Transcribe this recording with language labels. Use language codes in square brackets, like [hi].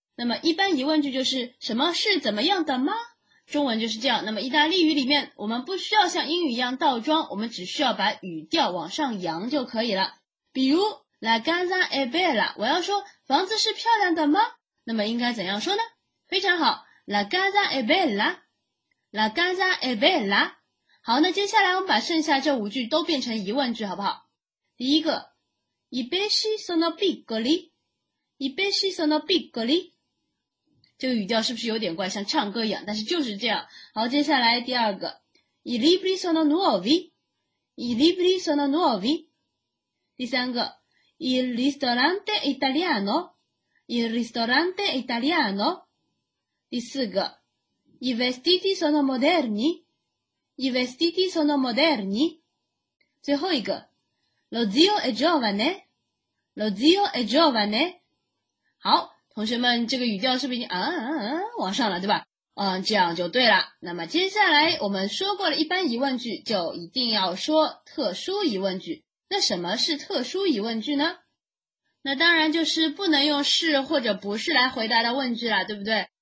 [zh] 那么一般疑问句就是什么是怎么样的吗？中文就是这样。那么意大利语里面我们不需要像英语一样倒装，我们只需要把语调往上扬就可以了。比如 [it] La casa è bella， [zh] 我要说房子是漂亮的吗？那么应该怎样说呢？非常好， [it] La casa è bella， La casa è bella。 [zh] 好，那接下来我们把剩下这五句都变成疑问句好不好？第一个， [it] I pesci sono piccoli， I pesci sono piccoli。 [zh] 这个语调是不是有点怪，像唱歌一样，但是就是这样。好，接下来第二个， [it] I libri sono nuovi， I libri sono nuovi。 [zh] 第三个， [it] Il ristorante italiano， Il ristorante italiano。 [zh] 第四个， [it] I vestiti sono moderni， I vestiti sono moderni。 [zh] 最后一个， [it] Lo zio è giovane， Lo zio è giovane。 [zh] 好，同学们这个语调是不是往上了，对吧？这样就对了。那么接下来我们说过了一般疑问句，就一定要说特殊疑问句。那什么是特殊疑问句呢？那当然就是不能用是或者不是来回答的问句啦，对不对？